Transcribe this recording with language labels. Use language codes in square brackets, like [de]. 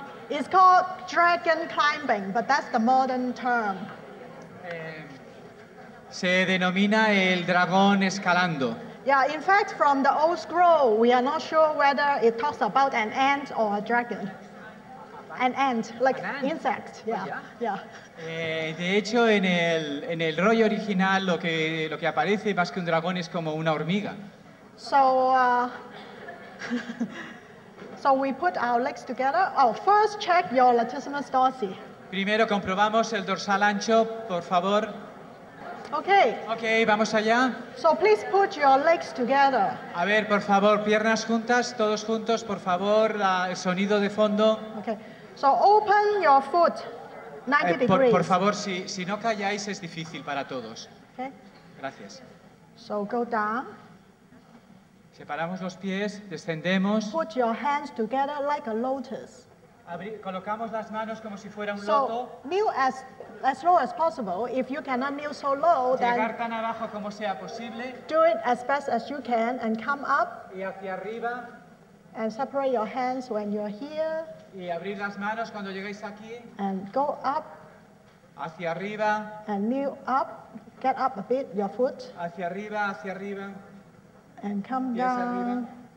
[en] It's called dragon climbing, but that's the modern term. [es] Se denomina el dragón escalando. [en] Yeah, in fact, from the old scroll, we are not sure whether it talks about an ant or a dragon. An ant, like an ant. Insect. Yeah. [es] De hecho, en el rollo original, lo que aparece más que un dragón es como una hormiga. [en] So we put our legs together. Oh, first check your latissimus dorsi. [es] Primero comprobamos el dorsal ancho, por favor. [en] Okay. [es] Okay, vamos allá. [en] So please put your legs together. [es] A ver, por favor, piernas juntas, todos juntos, por favor, el sonido de fondo. [en] Okay. So open your foot 90 degrees. [es] Por favor, si no calláis es difícil para todos. [en] Okay. [es] Gracias. [en] So go down. [es] Separamos los pies, descendemos. [en] Put your hands together like a lotus. [es] Colocamos las manos como si fuera un [en] so, [es] loto. [en] So kneel as low as possible. If you cannot kneel so low, [es] llegar [en] then [es] tan abajo como sea posible. [en] Do it as best as you can and come up. [es] Y hacia arriba. [en] And separate your hands when you're here. [es] Y abrir las manos cuando lleguéis aquí. [en] And go up. [es] Hacia arriba. [en] And kneel up. Get up a bit your foot. [es] Hacia arriba, hacia arriba. [en] And come down.